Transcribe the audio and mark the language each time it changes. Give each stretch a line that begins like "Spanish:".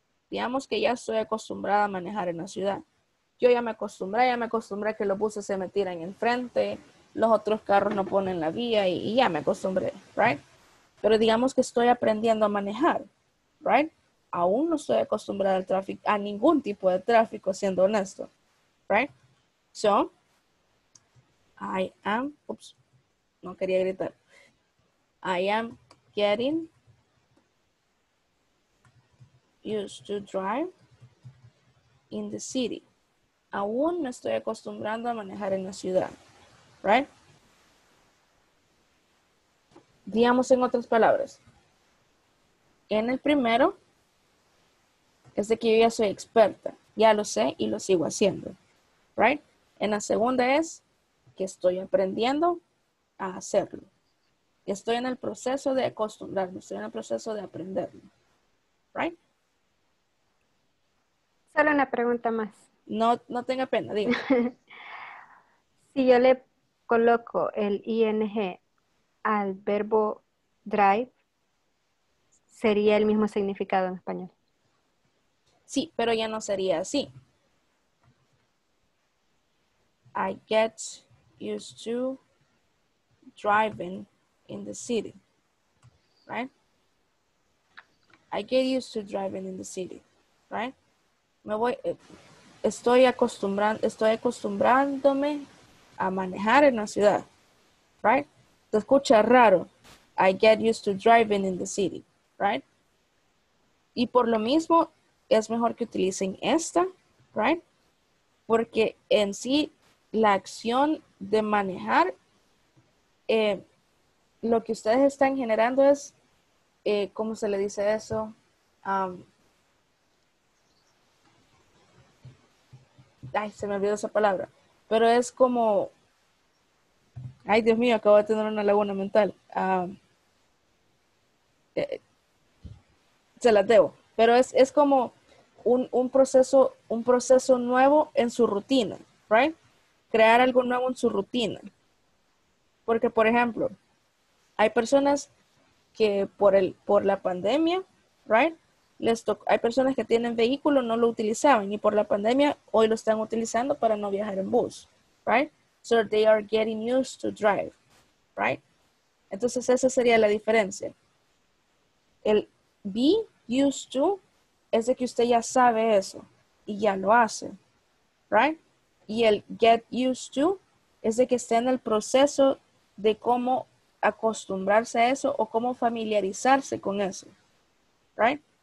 Spanish: Digamos que ya estoy acostumbrada a manejar en la ciudad. Yo ya me acostumbré a que los buses se me tiran enfrente, los otros carros no ponen la vía y ya me acostumbré, right? Pero digamos que estoy aprendiendo a manejar, right? Aún no estoy acostumbrada al tráfico, a ningún tipo de tráfico, siendo honesto, right?
English: So, I am getting used to drive in the city.
Spanish: aún me estoy acostumbrando a manejar en la ciudad. Right? Digamos en otras palabras. En el primero, es de que yo ya soy experta. Ya lo sé y lo sigo haciendo. Right? En la segunda es que estoy aprendiendo a hacerlo. Estoy en el proceso de acostumbrarme. Estoy en el proceso de aprenderlo. Right? Solo una pregunta más. No, no tenga pena, dime. Si yo le coloco el ing al verbo drive, ¿sería el mismo significado en español? Sí, pero ya no sería así.
English: I get used to driving in the city. Right? I get used to driving in the city. Right?
Spanish: Me voy, estoy acostumbrándome a manejar en la ciudad. Right? Te escucha raro.
English: I get used to driving in the city. Right?
Spanish: Y por lo mismo, es mejor que utilicen esta. Right? Porque en sí, la acción de manejar, lo que ustedes están generando es, ¿cómo se le dice eso? Ay, se me olvidó esa palabra. Pero es como, ay, Dios mío, acabo de tener una laguna mental. Se las debo. Pero es como un proceso nuevo en su rutina, right? Crear algo nuevo en su rutina. Porque, por ejemplo, hay personas que por la pandemia, right, hay personas que tienen vehículo, no lo utilizaban, y por la pandemia hoy lo están utilizando para no viajar en bus, right?
English: So they are getting used to drive, right?
Spanish: Entonces esa sería la diferencia. El be used to es de que usted ya sabe eso y ya lo hace, right? Y el get used to es de que esté en el proceso de cómo acostumbrarse a eso o cómo familiarizarse con eso, right?